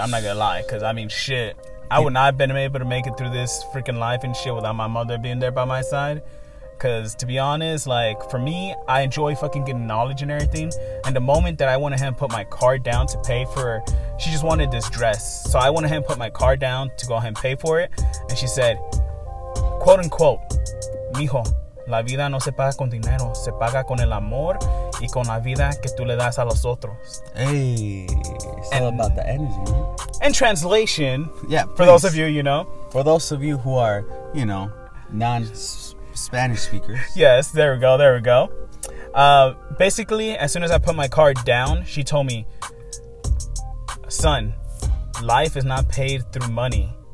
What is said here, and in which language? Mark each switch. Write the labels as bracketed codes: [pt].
[en] I'm not gonna lie, because I mean, shit, I would not have been able to make it through this freaking life and shit without my mother being there by my side. Because, to be honest, like, for me, I enjoy fucking getting knowledge and everything. And the moment that I went ahead and put my card down to pay for, she just wanted this dress. So I went ahead and put my card down to go ahead and pay for it. And she said, quote unquote, [es] mijo, la vida no se paga con dinero, se paga con el amor y con la vida que tú le das a los otros. [en] Hey, it's all about the energy, man. In translation, yeah, for those of you, you know. For those of you who are, you know, non-Spanish speakers. Yes, there we go. Basically, as soon as I put my card down, she told me, son, life is not paid through money.